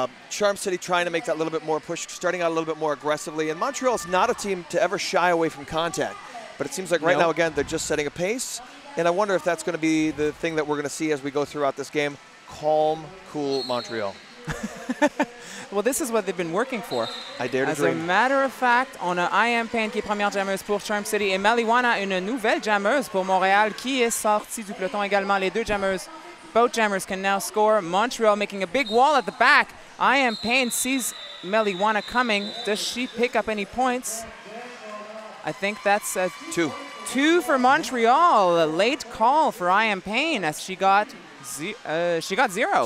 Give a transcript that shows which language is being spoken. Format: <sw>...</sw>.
<en>Charm City trying to make that little bit more push, starting out a little bit more aggressively. And Montreal's not a team to ever shy away from contact. But it seems like right now, again, they're just setting a pace. And I wonder if that's going to be the thing that we're going to see as we go throughout this game. Calm, cool Montreal. Well, this is what they've been working for. I dare to As dream. As a matter of fact,</en> <fr>on a I am Payne qui est première jammeuse pour Charm City et Maliwana, une nouvelle jammeuse pour Montréal qui est sortie du peloton également. Les deux jammeuses,</fr> <en>both jammers can now score. Montreal making a big wall at the back. I am Payne sees Maliwana coming. Does she pick up any points? I think that's a two. Two for Montreal. A late call for I am Payne as she got zero.</en>